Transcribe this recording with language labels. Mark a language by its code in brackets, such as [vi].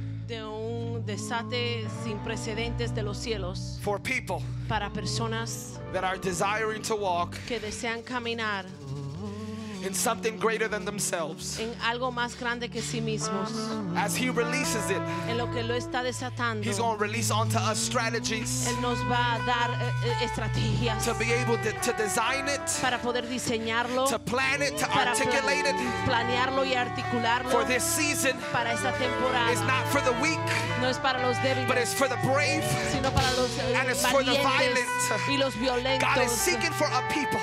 [es] de un desate sin precedentes de los cielos [en] for people [es] para personas [en] that are desiring to walk [es] que desean caminar [en] in something greater than themselves [es] en algo más grande que sí mismos. [en] As he releases it [es] en lo que lo está desatando, [en] he's going to release onto us strategies [es] él nos va a dar, estrategias [en] to be able to design it [es] para poder diseñarlo, [en] to plan it to articulate it [es] planearlo y articularlo [en] for this season [es] para esta temporada. [en] It's not for the weak [es] no es para los débiles, [en] but it's for the brave [es] sino para los, [en] and it's [es] valientes [en] for the violent [es] y los violentos. [en] God is seeking for a people